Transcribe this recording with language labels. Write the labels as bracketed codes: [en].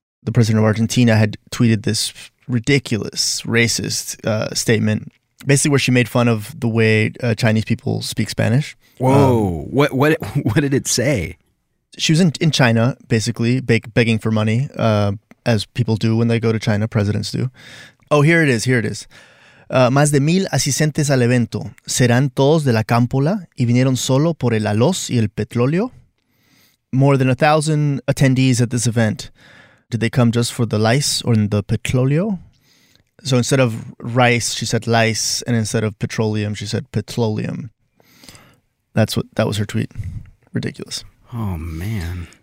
[en] The president of Argentina had tweeted this ridiculous, racist statement, basically where she made fun of the way Chinese people speak Spanish. Whoa, what did it say? She was in China, basically, begging for money, as people do when they go to China, presidents do. Oh, here it is, here it is. [es] Más de 1,000 asistentes al evento serán todos de la cámpora y vinieron solo por el arroz y el petróleo. [en] More than 1,000 attendees at this event. Did they come just for the lice or the petróleo? So instead of rice, she said lice, and instead of petroleum, she said petroleum. That was her tweet. Ridiculous. Oh, man.